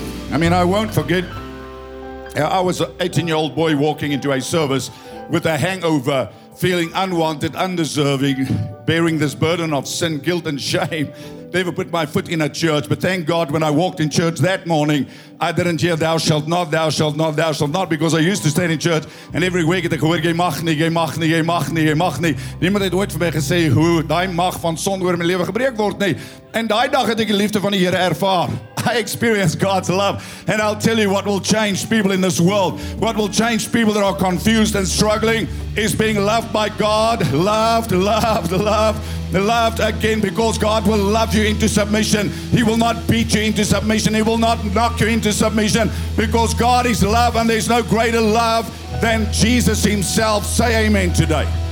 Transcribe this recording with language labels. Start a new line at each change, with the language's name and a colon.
English: I mean, I won't forget how I was an 18-year-old boy walking into a service with a hangover, feeling unwanted, undeserving, bearing this burden of sin, guilt, and shame. Never put my foot in a church, but thank God when I walked in church that morning, I didn't hear, thou shalt not, thou shalt not, thou shalt not, because I used to stand in church, and every week I heard,
Afrikaans: jy mag nie, jy mag nie,
English: jy mag nie, jy mag nie.
Afrikaans: Niemand had ooit vir my gesê, hoe die mag van sonde oor my lewe gebreek word, nie. En die dag het ek die liefde van die Here ervaar.
English: I experienced God's love, and I'll tell you what will change people in this world, what will change people that are confused and struggling, is being loved by God, loved, loved, loved, loved again, because God will love you into submission. He will not beat you into submission. He will not knock you into submission, because God is love, and there's no greater love than Jesus himself. Say amen today.